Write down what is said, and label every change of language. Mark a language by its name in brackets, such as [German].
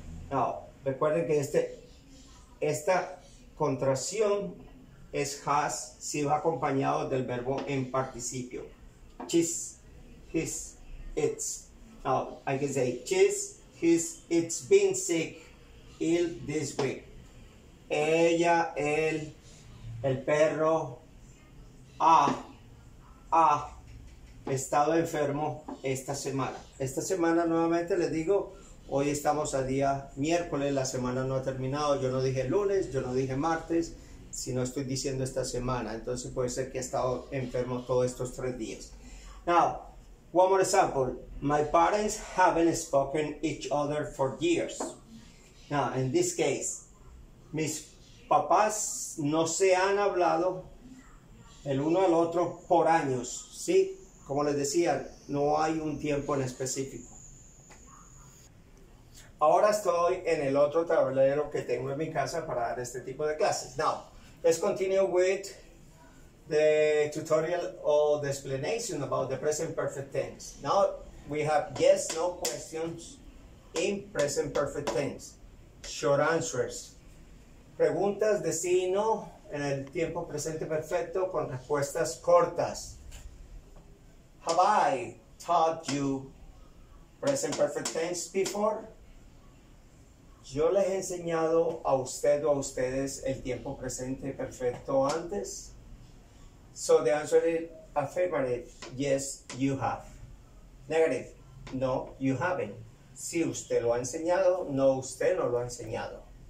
[Spanish] Now, recuerden que esta contracción es has si va acompañado del verbo en participio. [English] She's, his, it's. Now, I can say, she's, his, it's been sick, ill this week. [Spanish] Ella, él, el perro, ha estado enfermo esta semana. Esta semana, nuevamente les digo, hoy estamos a día miércoles, la semana no ha terminado. Yo no dije lunes, yo no dije martes, sino estoy diciendo esta semana. Entonces puede ser que ha estado enfermo todos estos 3 días. Now, one more example. My parents haven't spoken each other for years. [English] Now, in this case, [Spanish] mis papás no se han hablado el uno al otro por años, ¿sí? Como les decía, no hay un tiempo en específico. Ahora estoy en el otro tablero que tengo en mi casa para dar este tipo de clases. [English] Now, let's continue with the tutorial or the explanation about the present perfect tense. Now, we have yes, no questions in present perfect tense. Short answers. [Spanish] Preguntas de sí y no en el tiempo presente perfecto con respuestas cortas. [English] Have I taught you present perfect tense before? [Spanish] ¿Yo les he enseñado a usted o a ustedes el tiempo presente perfecto antes? [English] So the answer is affirmative. Yes, you have. Negative. No, you haven't. [Spanish] Si usted lo ha enseñado, no, usted no lo ha enseñado.